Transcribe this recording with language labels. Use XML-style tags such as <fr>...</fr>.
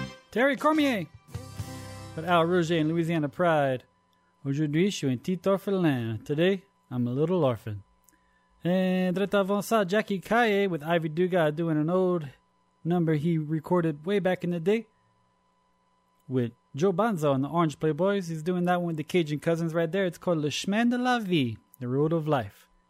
<en>Terry Cormier, but Al Roger and Louisiana Pride.</en> <fr>Aujourd'hui, je suis un petit orphelin.</fr> <en>Today, I'm a little orphan. And right</en> <fr>avant ça,</fr> <en>Jackie Kaye with Ivy Duga doing an old number he recorded way back in the day with Joe Bonzo and the Orange Playboys. He's doing that one with the Cajun Cousins right there. It's called Le Chemin de la Vie, The Road of Life.</en>